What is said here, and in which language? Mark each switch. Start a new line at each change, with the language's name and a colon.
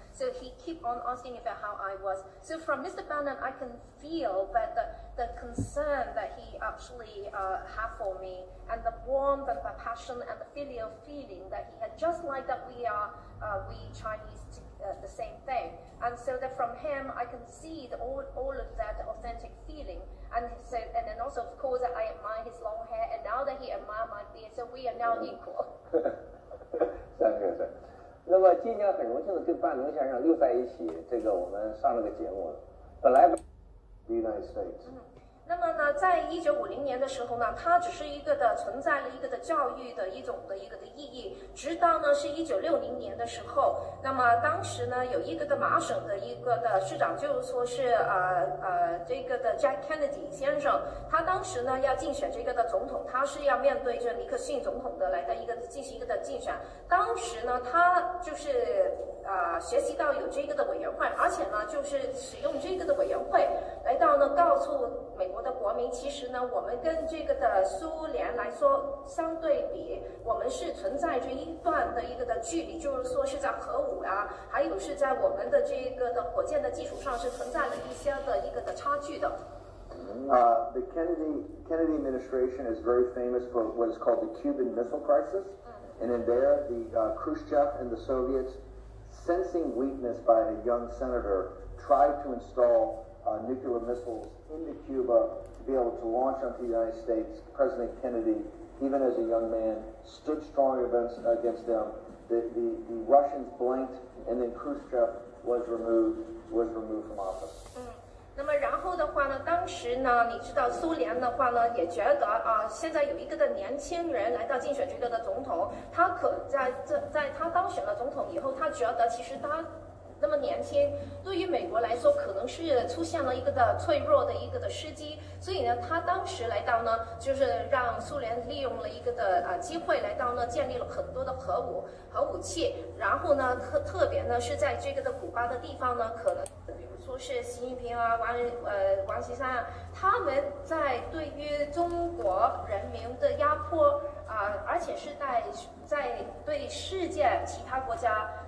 English: So he kept on asking about how I was. So from Mr. Bannon, I can feel that the concern that he actually had for me, and the warmth and the passion and the filial feeling that he had, just like that we are, we Chinese, the same thing. And so that from him, I can see all of that authentic feeling. And so, and then also, of course, I admire his long hair, and now that he admire my beard, so we are now equal.
Chinese: 是。那么今天很荣幸的跟班农先生又在一起，这个我们上了个节目，本来
English: The United States。
Chinese: 那么呢，在1950年的时候呢，它只是一个的存在了一个的教育的一种的一个的意义，直到呢是1960年的时候，那么当时呢有一个的麻省的一个的市长，就是说是这个的 Jack Kennedy 先生，他当时呢要竞选这个的总统，他是要面对着尼克逊总统的来的一个的进行一个的竞选，当时呢他就是学习到有这个的委员会，而且呢就是使用这个的委员会来到呢告诉美国的国民，其实呢我们跟这个的苏联来说相对比，我们是存在着一段的一个的距离，就是说是在核武啊，还有是在我们的这个的火箭的基础上是存在了一些的一个的差距的。
English: The Kennedy administration is very famous for what is called the Cuban Missile Crisis, and in there the Khrushchev and the Soviets, sensing weakness by a young senator, tried to installnuclear missiles into Cuba to be able to launch onto the United States. President Kennedy, even as a young man, stood strong against them. The Russians blinked, and then Khrushchev was removed from office.
Chinese: 那么然后的话呢，当时呢，你知道苏联的话呢，也觉得现在有一个的年轻人来到竞选这个的总统，他可在他当选了总统以后，他觉得其实他那么年轻，对于美国来说可能是出现了一个的脆弱的一个的时机，所以呢他当时来到呢就是让苏联利用了一个的机会来到呢建立了很多的核武器，然后呢特别呢是在这个的古巴的地方呢，可能比如说是习近平啊、王岐山啊，他们在对于中国人民的压迫而且是在对世界其他国家